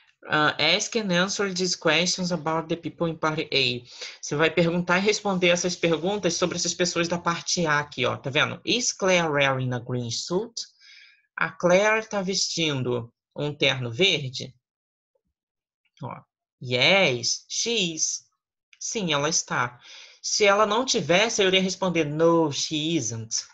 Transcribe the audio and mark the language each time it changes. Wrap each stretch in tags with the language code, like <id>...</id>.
<en>Ask and answer these questions about the people in part A.</en> <pt>Você vai perguntar e responder essas perguntas sobre essas pessoas da parte A aqui, ó. Tá vendo?</pt> <en>Is Claire wearing a green suit?</en> <pt>A Claire tá vestindo um terno verde? Ó.</pt> <en>Yes, she is.</en> <pt>Sim, ela está. Se ela não tivesse, eu iria responder</pt> <en>no, she isn't.</en>